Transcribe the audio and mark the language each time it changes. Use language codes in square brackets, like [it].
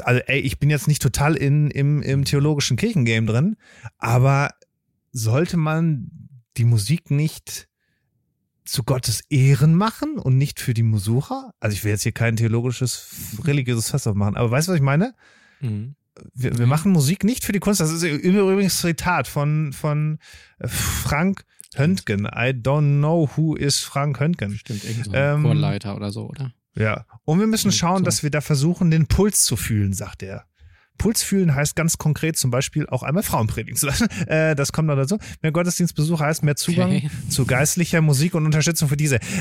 [de] Also ey, ich bin jetzt nicht total im theologischen Kirchengame drin, aber sollte man die Musik nicht zu Gottes Ehren machen und nicht für die Besucher? Also ich will jetzt hier kein theologisches, religiöses Fass aufmachen, aber weißt du, was ich meine? Wir machen Musik nicht für die Kunst. Das ist übrigens ein Zitat von Frank Höntgen. [en] I don't know who is Frank Höntgen. [de] Stimmt, irgendein Chorleiter oder so, oder? Ja, und wir müssen schauen, dass wir da versuchen, den Puls zu fühlen, sagt er. Puls fühlen heißt ganz konkret zum Beispiel auch einmal Frauen predigen zu lassen. Das kommt noch dazu. Mehr Gottesdienstbesuch heißt mehr Zugang zu geistlicher Musik und Unterstützung für diese.